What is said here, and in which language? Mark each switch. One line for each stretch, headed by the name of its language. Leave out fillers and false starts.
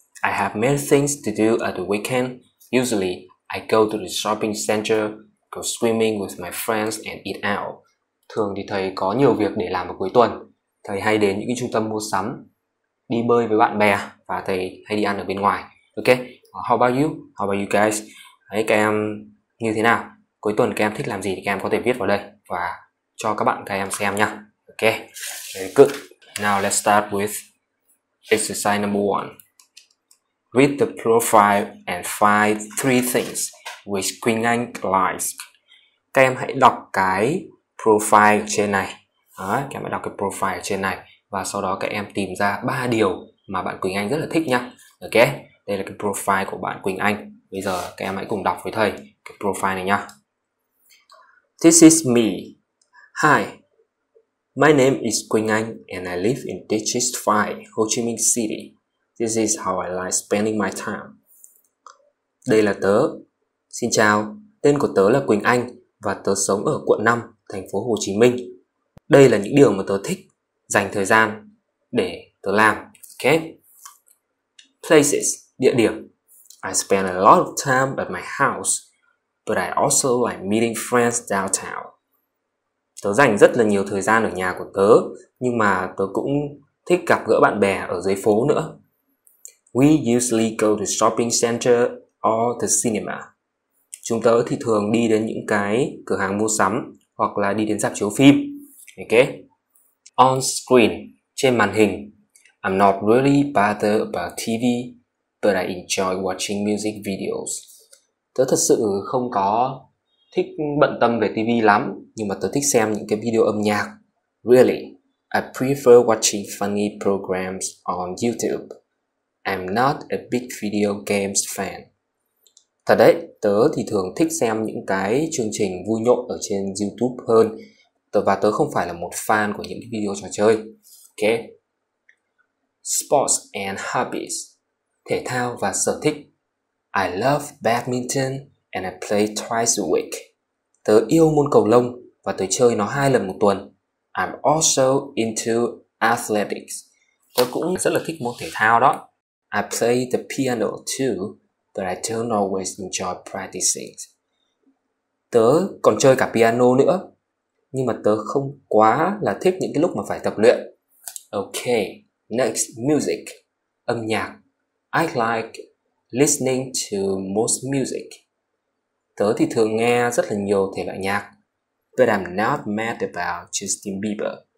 English: I have many things to do at the weekend. Usually, I go to the shopping center, go swimming with my friends and eat out.
Vietnamese: Thường thì thầy có nhiều việc để làm vào cuối tuần. Thầy hay đến những cái trung tâm mua sắm, đi bơi với bạn bè và thầy hay đi ăn ở bên ngoài.
English: Ok, how about you? How about you guys?
Vietnamese: Đấy, các em như thế nào? Cuối tuần các em thích làm gì thì các em có thể viết vào đây và cho các bạn các em xem nha.
English: Ok, very good. Now let's start with exercise number one. Read the profile and find three things which Quỳnh Anh likes.
Vietnamese: Các em hãy đọc cái profile trên này. Đó, các em hãy đọc cái profile trên này và sau đó các em tìm ra ba điều mà bạn Quỳnh Anh rất là thích nhá. Ok, đây là cái profile của bạn Quỳnh Anh. Bây giờ các em hãy cùng đọc với thầy cái profile này nhá.
English: This is me. Hi, my name is Quỳnh Anh and I live in District 5, Ho Chi Minh City. This is how I like spending my time.
Vietnamese: Đây là tớ. Xin chào, tên của tớ là Quỳnh Anh và tớ sống ở quận 5, thành phố Hồ Chí Minh. Đây là những điều mà tớ thích dành thời gian để tớ làm. Okay.
English: Places,
Vietnamese: địa điểm.
English: I spend a lot of time at my house, but I also like meeting friends downtown.
Vietnamese: Tớ dành rất là nhiều thời gian ở nhà của tớ, nhưng mà tớ cũng thích gặp gỡ bạn bè ở dưới phố nữa.
English: We usually go to shopping center or the cinema.
Vietnamese: Chúng tớ thì thường đi đến những cái cửa hàng mua sắm hoặc là đi đến rạp chiếu phim.
English: Ok. On screen,
Vietnamese: trên màn hình.
English: I'm not really bothered about TV, but I enjoy watching music videos.
Vietnamese: Tớ thật sự không có thích bận tâm về TV lắm, nhưng mà tớ thích xem những cái video âm nhạc.
English: Really, I prefer watching funny programs on YouTube. I'm not a big video games fan.
Vietnamese: Thật đấy, tớ thì thường thích xem những cái chương trình vui nhộn ở trên YouTube hơn. Và tớ không phải là một fan của những video trò chơi. Ok.
English: Sports and hobbies.
Vietnamese: Thể thao và sở thích.
English: I love badminton and I play twice a week.
Vietnamese: Tớ yêu môn cầu lông và tớ chơi nó hai lần một tuần.
English: I'm also into athletics.
Vietnamese: Tớ cũng rất là thích môn thể thao đó.
English: I play the piano too, but I don't always enjoy practicing.
Vietnamese: Tớ còn chơi cả piano nữa, nhưng mà tớ không quá là thích những cái lúc mà phải tập luyện.
English: Okay, next, music.
Vietnamese: Âm nhạc.
English: I like listening to most music.
Vietnamese: Tớ thì thường nghe rất là nhiều thể loại nhạc.
English: But I'm not mad about Justin Bieber.